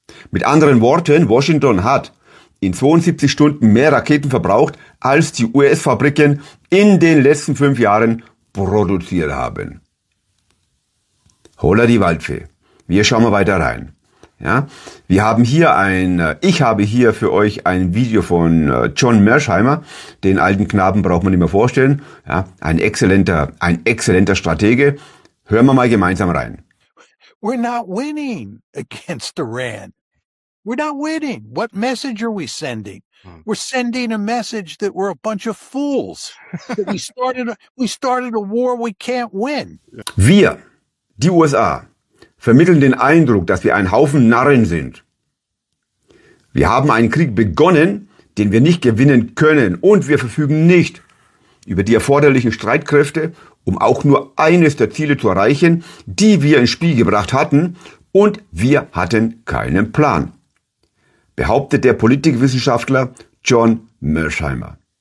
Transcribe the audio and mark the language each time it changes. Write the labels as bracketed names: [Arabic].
[German] Mit anderen Worten, Washington hat in 72 Stunden mehr Raketen verbraucht, als die US-Fabriken in den letzten 5 Jahren produziert haben. Hola die Waldfee. Wir schauen mal weiter rein. Ja, ich habe hier für euch ein Video von John Mersheimer, den alten Knaben braucht man nicht mehr vorstellen, ja, ein exzellenter Stratege. Hören wir mal gemeinsam rein. [English] We're not winning against Iran. We're not winning. What message are we sending? We're sending a message that we're a bunch of fools. We started a war we can't win. [German] Wir, die USA, vermitteln den Eindruck, dass wir ein Haufen Narren sind. Wir haben einen Krieg begonnen, den wir nicht gewinnen können und wir verfügen nicht über die erforderlichen Streitkräfte, um auch nur eines der Ziele zu erreichen, die wir ins Spiel gebracht hatten und wir hatten keinen Plan, behauptet der Politikwissenschaftler John Mersheimer.